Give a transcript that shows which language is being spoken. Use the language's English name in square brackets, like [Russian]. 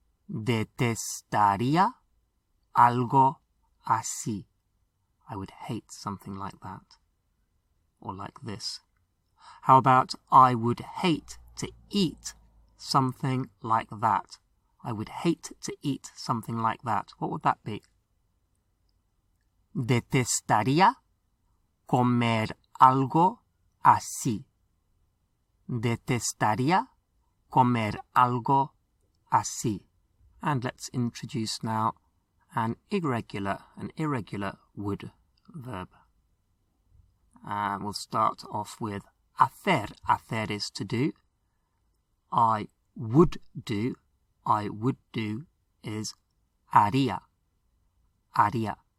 [Spanish] Detestaría algo así. [English] I would hate something like that. Or like this. How about, I would hate to eat something like that. I would hate to eat something like that. What would that be? [Spanish] Detestaría comer algo así. Detestaría comer algo así. [English] And let's introduce now an irregular would verb. We'll start off with hacer. Hacer is to do. I would do. I would do is haría. Haría.